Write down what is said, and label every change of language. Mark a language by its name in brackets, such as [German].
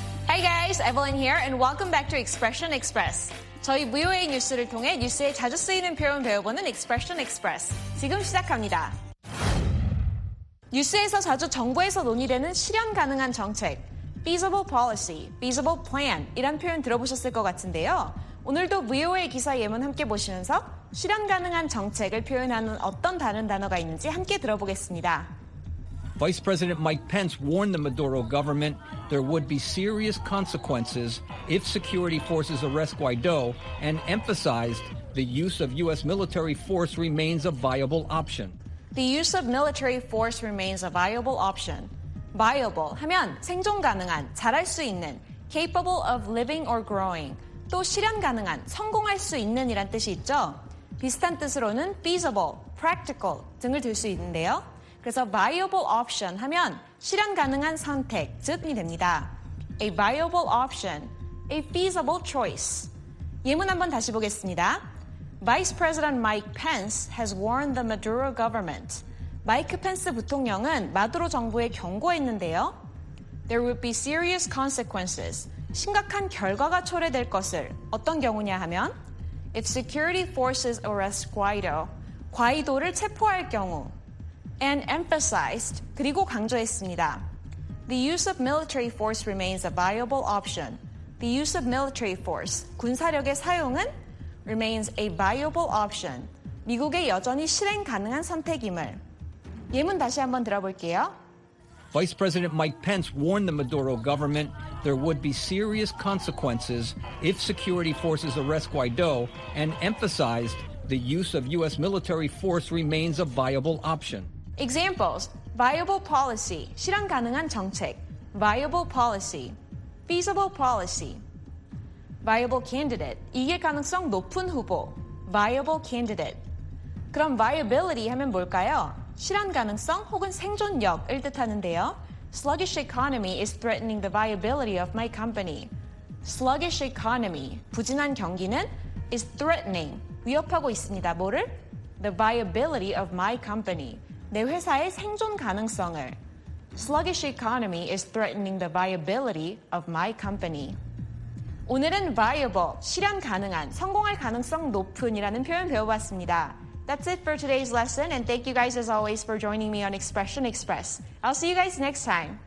[English] Hi guys, Evelyn here and welcome back to Expression Express. [Korean] 저희 VOA 뉴스를 통해 뉴스에 자주 쓰이는 표현 배워보는 Expression Express. 지금 시작합니다. 뉴스에서 자주 정부에서 논의되는 실현 가능한 정책, [English] feasible policy, feasible plan [Korean] 이란 표현 들어보셨을 것 같은데요. 오늘도 VOA 기사 예문 함께 보시면서 실현 가능한 정책을 표현하는 어떤 다른 단어가 있는지 함께 들어보겠습니다. [English] Vice President Mike Pence warned the Maduro government there would be serious consequences if security forces arrest Guaido and emphasized the use of U.S. military force remains a viable option. The use of military force remains a viable option. [Korean] Viable 하면 생존 가능한, 잘할 수 있는, [English] capable of living or growing, [Korean] 또 실현 가능한, 성공할 수 있는이란 뜻이 있죠. 비슷한 뜻으로는 feasible, practical 등을 들 수 있는데요. 그래서 viable option 하면 실현 가능한 선택, 즉이 됩니다. [English] A viable option, a feasible choice. [Korean] 예문 한번 다시 보겠습니다. [English] Vice President Mike Pence has warned the Maduro government. [Korean] 마이크 펜스 부통령은 마두로 정부에 경고했는데요. [English] There would be serious consequences. [Korean] 심각한 결과가 초래될 것을. 어떤 경우냐 하면 [English] If security forces arrest Guaido, [Korean] 과이도를 체포할 경우 [English] And emphasized, [Korean] 그리고 강조했습니다. [English] The use of military force remains a viable option. The use of military force, [Korean] 군사력의 사용은 [English] remains a viable option. [Korean] 미국의 여전히 실행 가능한 선택임을. 예문 다시 한번 들어볼게요. [English] Vice President Mike Pence warned the Maduro government there would be serious consequences if security forces arrest Guaido and emphasized the use of U.S. military force remains a viable option. Examples, viable policy, [Korean] 실현 가능한 정책, [English] viable policy, feasible policy, viable candidate, [Korean] 이게 가능성 높은 후보, [English] viable candidate. [Korean] 그럼 viability 하면 뭘까요? 실현 가능성 혹은 생존력을 뜻하는데요. [English] Sluggish economy is threatening the viability of my company. Sluggish economy, [Korean] 부진한 경기는 [English] is threatening, [Korean] 위협하고 있습니다. 뭐를? [English] The viability of my company. [Korean] 내 회사의 생존 가능성을. [English] Sluggish economy is threatening the viability of my company. [Korean] 오늘은 viable, 실현 가능한, 성공할 가능성 높은이라는 표현 배워봤습니다. [English] That's it for today's lesson, and thank you guys as always for joining me on Expression Express. I'll see you guys next time.